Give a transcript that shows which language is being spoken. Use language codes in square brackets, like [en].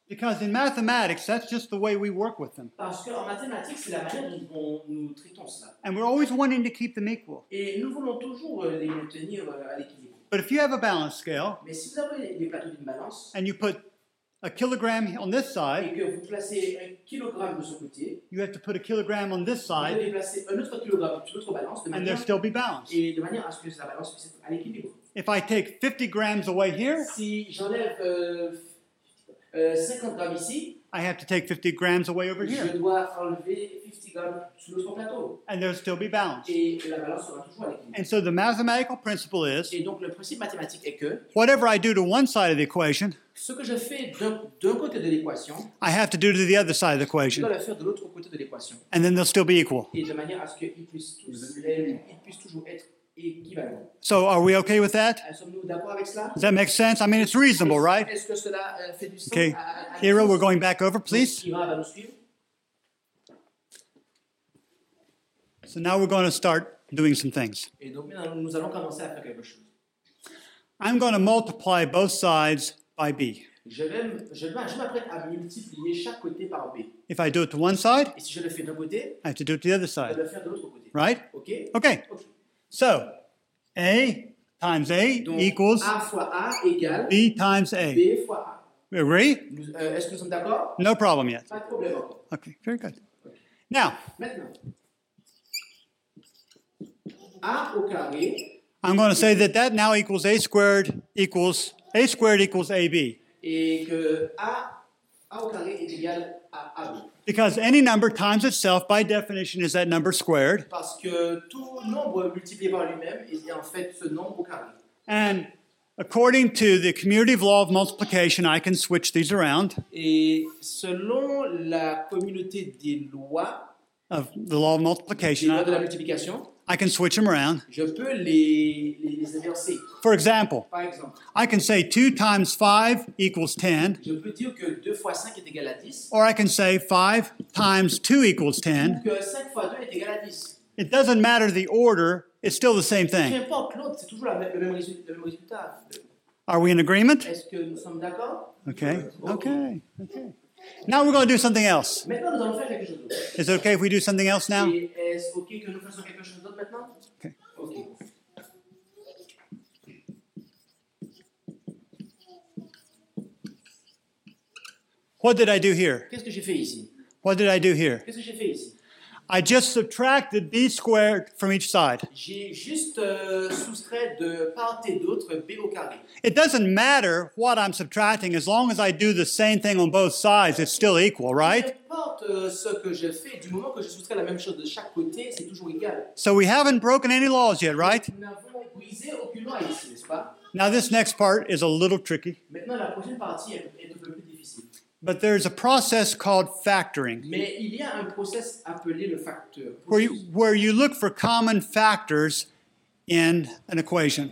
[en] Because in mathematics, that's just the way we work with them. [fr] Parce que en mathématiques, c'est la manière dont nous traitons cela. [en] And we're always wanting to keep them equal. [fr] Et nous voulons toujours les maintenir à l'équilibre. [en] But if you have a balance scale, [fr] mais si vous avez les plateaux d'une balance, [en] and you put a kilogram on this side, [fr] et que vous placez un kilogramme de ce côté, [en] you have to put a kilogram on this side, [fr] vous devez placer un autre kilogramme sur l'autre balance, de manière, [en] and they'll still be balanced. [fr] Et de manière à ce que la balance puisse être à l'équilibre. [en] If I take 50 grams away here, [fr] si j'enlève 50 grammes ici, [en] I have to take 50 grams away over here. [fr] Je dois enlever 50 grammes sur l'autre plateau. [en] And they'll still be balanced. [fr] Et la balance sera toujours à l'équilibre. [en] And so the mathematical principle is, [fr] et donc le principe mathématique est que, [en] whatever I do to one side of the equation, [fr] ce que je fais d'un côté de l'équation, [en] I have to do to the other side of the equation. [fr] Je dois le faire de l'autre côté de l'équation. [en] And then they'll still be equal. [fr] Et de manière à ce qu'ils puissent puissent toujours être équivalents. [en] So are we okay with that? [fr] Sommes-nous d'accord avec cela? [en] Does that make sense? I mean, it's reasonable, right? [fr] Est-ce que cela fait du sens? [en] Okay, Hira, we're going back over, please. [fr] Hira va nous suivre. [en] So now we're going to start doing some things. [fr] Et donc maintenant, nous allons commencer à faire quelque chose. [en] I'm going to multiply both sides by B. [fr] Je m'apprête à multiplier chaque côté par B. [en] If I do it to one side, [fr] et si je le fais d'un côté, [en] I have to do it to the other side. [fr] Je dois le faire de l'autre côté. [en] Right? Okay. Okay. So, A times A [fr] donc, [en] equals [fr] A fois A égale [en] B times A. [fr] B fois A. [en] We agree? [fr] Est-ce que nous sommes d'accord? [en] No problem yet. [fr] Pas de problème. [en] Okay, very good. Okay. Now, [fr] maintenant, A au carré. [en] I'm going to say that now equals A squared equals AB. [fr] Et que A au carré est égal à AB. [en] Because any number times itself, by definition, is that number squared. [fr] Parce que tout nombre multiplié par lui-même est en fait ce nombre au carré. [en] And according to the commutative law of multiplication, I can switch these around. [fr] Et selon la communauté des lois [en] of the law of multiplication, [fr] des lois de la multiplication, [en] I can switch them around. [fr] Je peux les inverser. [en] For example, [fr] par exemple, [en] I can say 2 times 5 equals 10. [fr] Je peux dire que 2 fois 5 est égal à 10. [en] Or I can say 5 times 2 equals 10. [fr] Ou que 5 fois 2 est égal à 10. [en] It doesn't matter the order, it's still the same thing. [fr] Qu'importe l'ordre, c'est toujours le même résultat. [en] Are we in agreement? [fr] Est-ce que nous sommes d'accord? [en] Okay. Okay. Now we're going to do something else. [fr] Maintenant, nous allons faire quelque chose d'autre. [en] Is it okay if we do something else now? [fr] Est-ce okay que nous faisons quelque chose d'autre maintenant? [en] Okay. Okay. What did I do here? [fr] Qu'est-ce que j'ai fait ici? [en] What did I do here? [fr] Qu'est-ce que j'ai fait ici? [en] I just subtracted b squared from each side. [fr] J'ai juste soustrait de part et d'autre b au carré. [en] It doesn't matter what I'm subtracting, as long as I do the same thing on both sides, it's still equal, right? [fr] N'importe ce que je fais, du moment que je soustrais la même chose de chaque côté, c'est toujours égal. [en] So we haven't broken any laws yet, right? [fr] Nous n'avons brisé aucune loi ici, n'est-ce pas? [en] Now this next part is a little tricky. [fr] Maintenant la prochaine partie est un peu plus difficile. [en] But there's a process called factoring. [fr] Mais il y a un process appelé le facteur. [en] Where you look for common factors in an equation.